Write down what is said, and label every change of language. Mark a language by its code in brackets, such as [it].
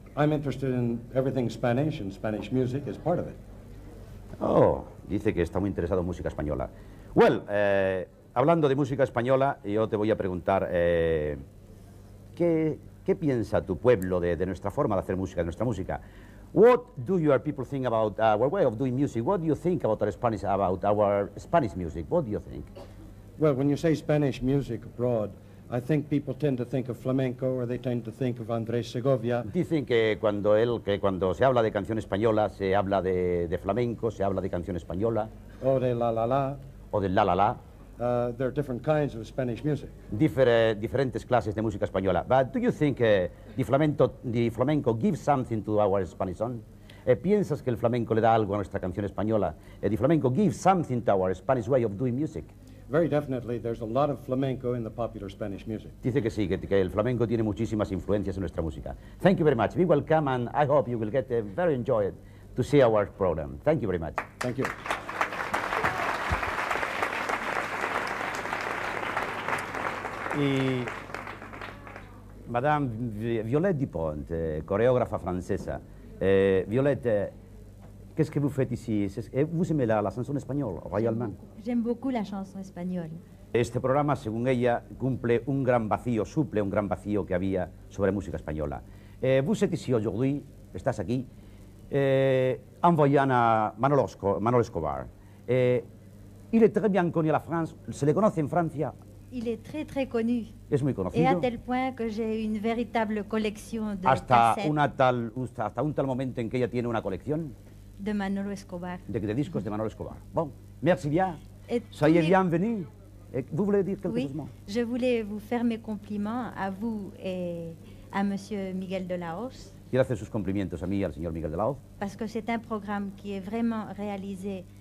[en] I'm interested in everything Spanish, and Spanish music is part of it. [es] Oh, dice que está muy interesado en música española. Well, hablando de música española, yo te voy a preguntar, ¿qué piensa tu pueblo de nuestra forma de hacer música, de nuestra música? [en] What do your people think about our way of doing music? What do you think about our Spanish music? What do you think? Well, when you say Spanish music abroad, I think people tend to think of flamenco, or they tend to think of Andrés Segovia. [es] Dicen que cuando se habla de canción española, se habla de flamenco, se habla de canción española. O de la la la. O de la la la. [en] There are different kinds of Spanish music. [es] Diferentes clases de música española. [en] But do you think the flamenco gives something to our Spanish song? [es] ¿Piensas que el flamenco le da algo a nuestra canción española? [en] The flamenco gives something to our Spanish way of doing music. Very definitely, there's a lot of flamenco in the popular Spanish music. [es] Dice que sí, que el flamenco tiene muchísimas influencias en nuestra música. [en] Thank you very much. Be welcome, and I hope you will get very enjoyed to see our program. Thank you very much. Thank you. [es] Y Madame Violette Dupont, coreógrafa francesa. [fr] Violette, qu'est-ce que vous faites ici? Vous aimez la chanson espagnole, royalement? J'aime beaucoup la chanson espagnole. [es] Este programa, según ella, cumple un gran vacío, suple un gran vacío que había sobre música española. [fr] Vous êtes ici aujourd'hui, [es] estás aquí, [fr] en voyant a Manolo Escobar. Il est très bien connu à la France, [es] se le conoce en Francia. [fr] Il est très très connu. [es] Es muy conocido. [fr] Et à tel point que j'ai une véritable collection de [es] hasta cassettes. Hasta un tal momento en que ella tiene una colección. De Manolo Escobar. De discos de Manolo Escobar. [fr] Bon, merci bien. Soyez bienvenue. Vous voulez dire quelque chose? Oui, je voulais vous faire mes compliments à vous et à Monsieur Miguel de la Hoz. [es] Quiero hacer sus cumplimientos a mí y al señor Miguel de la Hoz. [fr] Parce que c'est un programme qui est vraiment réalisé.